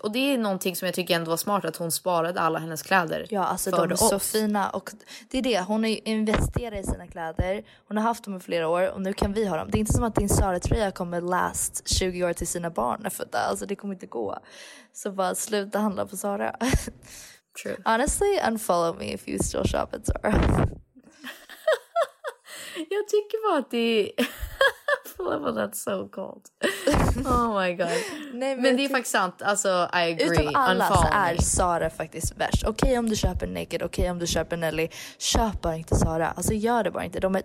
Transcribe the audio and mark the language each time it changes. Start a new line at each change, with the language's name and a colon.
Swedish: Och det är någonting som jag tycker ändå var smart, att hon sparade alla hennes kläder. Ja, alltså de är så fina. Och det är det, hon har ju investerat i sina kläder. Hon har haft dem i flera år och nu kan vi ha dem. Det är inte som att din Zara-tröja kommer last 20 år till sina barn. För det, alltså det kommer inte gå. Så bara sluta handla på Zara.
English: True. Honestly, unfollow me if you still shop at Zara.
Swedish: Jag tycker bara att det är...
English: That's so cold. Oh my god.
Swedish: Nej, men det är faktiskt sant.
English: Alltså, I agree.
Swedish: Utom alla så är Zara faktiskt värst. Okej, om du köper Naked. Okej, om du köper Nelly. Köp bara inte Zara. Alltså, gör det bara inte. De är...